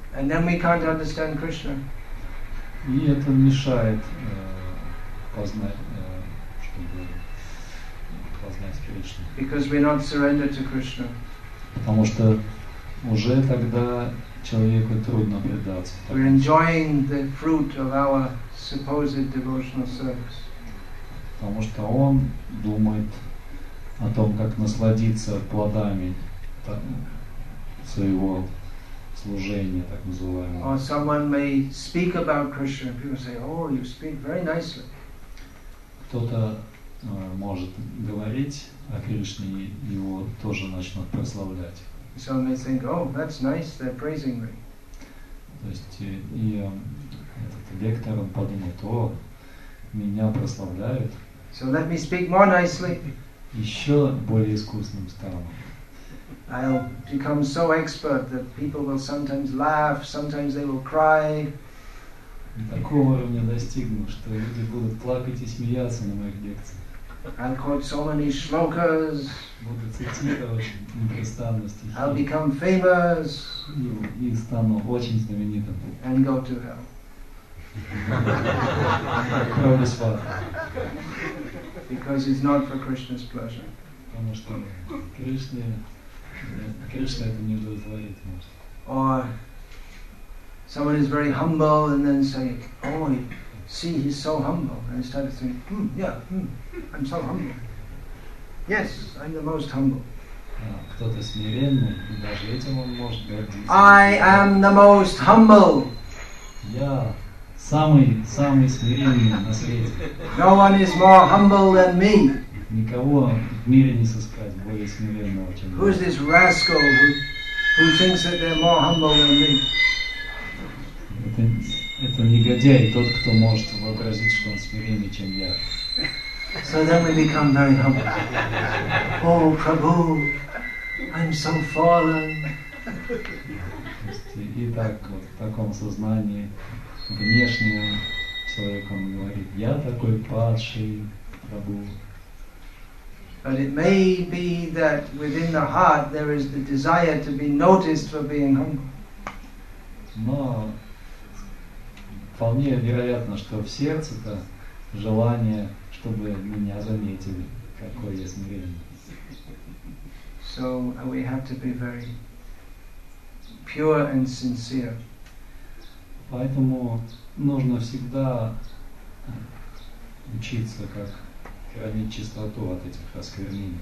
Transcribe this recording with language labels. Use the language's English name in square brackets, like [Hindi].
[English] And then we can't understand Krishna. [Russian] И это мешает познать, чтобы познать Кришну. [English] Because we're not surrendered to Krishna. [Russian] Потому что уже тогда человеку трудно предаться. [English] We're enjoying the fruit of our supposed devotional service. [Russian] Потому что он думает о том, как насладиться плодами своего служения, так называемого. [English] Or someone may speak about Krishna, and people say, "Oh, you speak very nicely." [Russian] Кто-то может говорить о Кришне, и его тоже начнут прославлять. [English] Someone may think, "Oh, that's nice. They're praising me." [Russian] То есть и этот лектор, он подумает, о, меня прославляют. [English] So let me speak more nicely. [Russian] Еще более искусным стану. [English] I'll become so expert that people will sometimes laugh, sometimes they will cry. [Russian] Такого уровня достигну, что люди будут плакать и смеяться на моих лекциях. [English] I'll quote so many shlokas. [Russian] Буду цитировать непрестанно стихи. [English] I'll become famous. [Russian] И стану очень знаменитым. [English] And go to hell. [Russian] Кроме свадьбы. [English] Because it's not for Krishna's pleasure. [Russian] Потому что Кришна это не удовлетворит. [English] Or someone is very humble and then say, oh, see, he's so humble. And instead of saying, I'm so humble. Yes, I'm the most humble. [Russian] Кто-то смиренный, и даже этим он может гордиться. [English] I am the most humble. [Russian] Самый смиренный на свете. [English] No one is more humble than me. [Russian] Никого в мире не сыскать более смиренного, чем я. [English] Who is this rascal who thinks that they're more humble than me? [Russian] Это негодяй, тот, кто может вообразить, что он смиреннее, чем я. [English] So then we become very humble. Oh, Prabhu, I'm so fallen. [Russian] И так вот, в таком сознании внешнему человеку он говорит, я такой падший, Прабху. [English] But it may be that within the heart there is the desire to be noticed for being humble. [Russian] Но вполне вероятно, что в сердце-то желание, чтобы меня заметили, какой я смиренный. [English] So we have to be very pure and sincere. [Russian] Поэтому нужно всегда учиться, как хранить чистоту от этих осквернений.